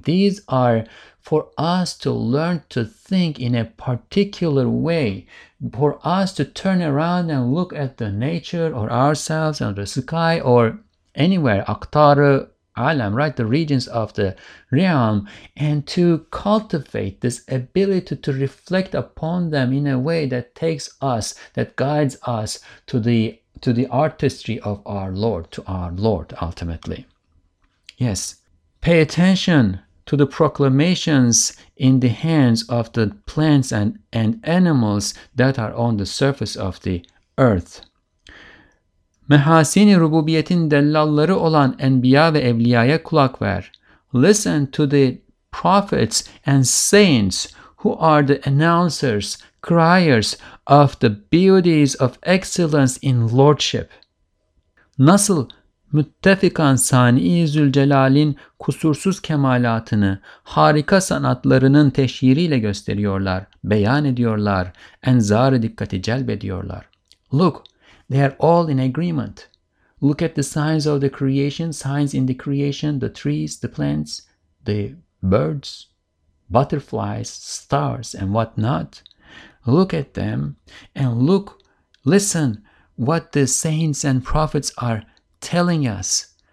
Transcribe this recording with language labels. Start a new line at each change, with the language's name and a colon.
English: These are for us to learn to think in a particular way, for us to turn around and look at the nature or ourselves and the sky or anywhere, Aktar-ı Alam, right, the regions of the realm, and to cultivate this ability to reflect upon them in a way that takes us, that guides us to the artistry of our Lord, to our Lord ultimately. Yes, pay attention to the proclamations in the hands of the plants and animals that are on the surface of the earth.
Turkish: Mehasini rububiyetin dellalları olan enbiya ve evliyaya kulak ver.
English: Listen to the prophets and saints who are the announcers, criers of the beauties of excellence in lordship.
Turkish: Nasıl müttefikan Sani-i Zülcelal'in kusursuz kemalatını harika sanatlarının teşhiriyle gösteriyorlar, beyan ediyorlar, enzarı dikkati celbediyorlar.
English: Look, they are all in agreement. Look at the signs of the creation, signs in the creation, the trees, the plants, the birds, butterflies, stars, and whatnot. Look at them and look, listen what the saints and prophets are telling us.